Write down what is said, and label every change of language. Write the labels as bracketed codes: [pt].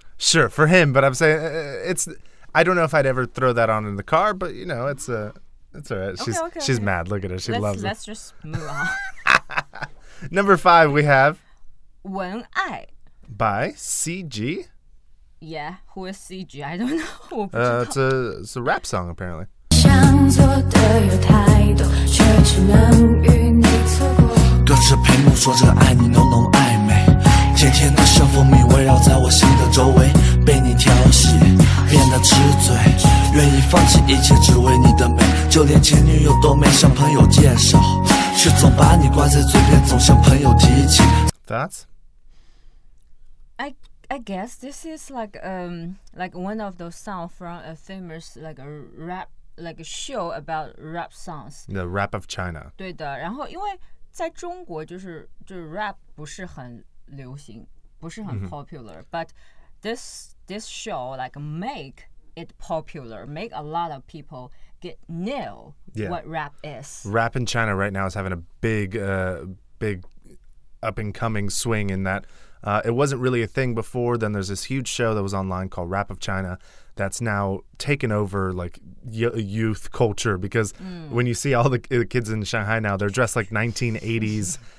[en] Sure, for him, but I'm saying it's, I don't know if I'd ever throw that on in the car, but you know, it's all right. Okay, she's mad. Look at her. She loves it. Let's just move on. Number five, we have [zh] 文爱 [en] by CG. Yeah, who is CG? I don't know. [zh] 我不知道。 [en] It's a rap song, apparently. [zh] 想做的有太多，却只能与你错过。对着屏幕说着爱你，浓浓暧昧。甜甜的小蜂蜜围绕在我心的周围，被你调戏，变得痴醉，愿意放弃一切只为你的美，就连前女友都没向朋友介绍。 [en] That's? I guess this is like one of those songs from a famous like a rap like a show about rap songs. The rap of China. [zh] 对的，然后因为在中国就是就 rap 不是很流行，不是很 popular. [en] Mm-hmm. But this show like make it popular, make a lot of people. What rap is. Rap in China right now is having a big up and coming swing in that. It wasn't really a thing before. Then there's this huge show that was online called Rap of China that's now taken over like youth culture because when you see all the kids in Shanghai now, they're dressed like 1980s.